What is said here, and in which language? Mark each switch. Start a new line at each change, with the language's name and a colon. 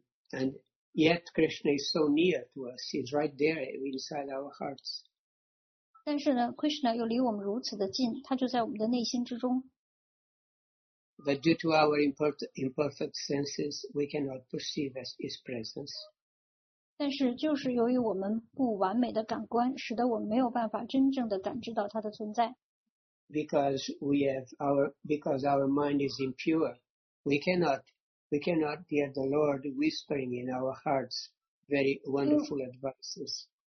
English: And yet Krishna is so near to us. He's right there inside our hearts.
Chinese: 但是呢, Krishna 又离我们如此的近, 他就在我们的内心之中。
English: But due to our imperfect senses, we cannot perceive his presence.
Chinese: 但是就是由于我们不完美的感官, 使得我们没有办法真正的感知到他的存在。
English: Because our mind is impure, we cannot hear the Lord whispering in our hearts very wonderful advices.